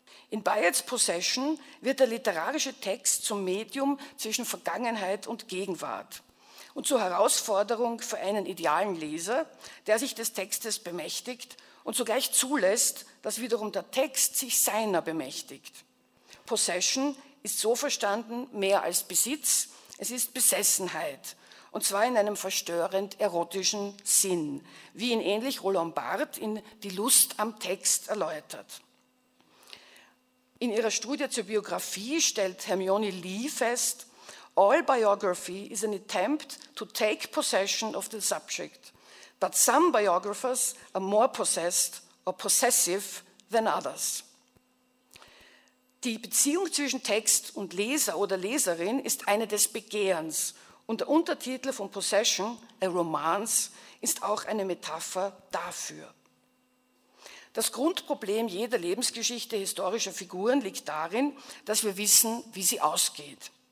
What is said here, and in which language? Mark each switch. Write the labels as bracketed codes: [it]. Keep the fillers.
[de] In Bayards Possession wird der literarische Text zum Medium zwischen Vergangenheit und Gegenwart und zur Herausforderung für einen idealen Leser, der sich des Textes bemächtigt und zugleich zulässt, dass wiederum der Text sich seiner bemächtigt. Possession ist so verstanden mehr als Besitz, es ist Besessenheit. Und zwar in einem verstörend erotischen Sinn, wie ihn ähnlich Roland Barthes in Die Lust am Text erläutert. In ihrer Studie zur Biografie stellt Hermione Lee fest, [en] All biography is an attempt to take possession of the subject, but some biographers are more possessed or possessive than others. [de] Die Beziehung zwischen Text und Leser oder Leserin ist eine des Begehrens und der Untertitel von Possession, a Romance, ist auch eine Metapher dafür. Das Grundproblem jeder Lebensgeschichte historischer Figuren liegt darin, dass wir wissen, wie sie ausgeht.